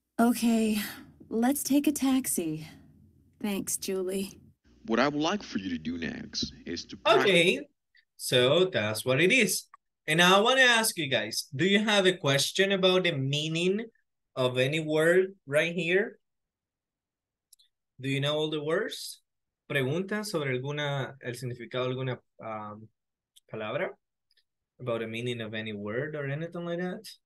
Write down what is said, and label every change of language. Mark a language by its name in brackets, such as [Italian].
[English] Okay, let's take a taxi. Thanks, Julie. What I would like for you to do next is to... Okay, so that's what it is. And I want to ask you guys, do you have a question about the meaning of any word right here? Do you know all the words? [Spanish] ¿Pregunta sobre alguna, el significado de alguna palabra? [English] About the meaning of any word or anything like that?